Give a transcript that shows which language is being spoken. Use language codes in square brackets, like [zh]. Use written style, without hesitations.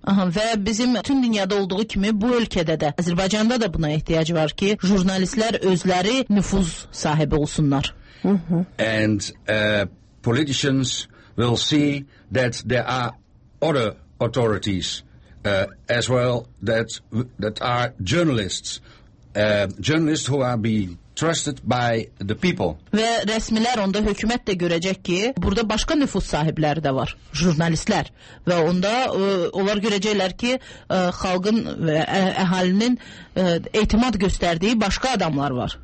[az] Aha, və bizim tüm dünyada olduğu kimi bu ölkədə də, Azərbaycanda da buna ehtiyac var ki, jurnalistlər özləri nüfuz sahibi olsunlar. [en] And politicians will see that there are other authorities as well that are journalists. Journalists who are being trusted by the people. [az] Və rəsmilər onda hökumət də görəcək ki, burada başqa nüfuz sahibləri də var, jurnalistlər. Və onda onlar görəcəklər ki, xalqın və əhalinin etimad göstərdiyi başqa adamlar var.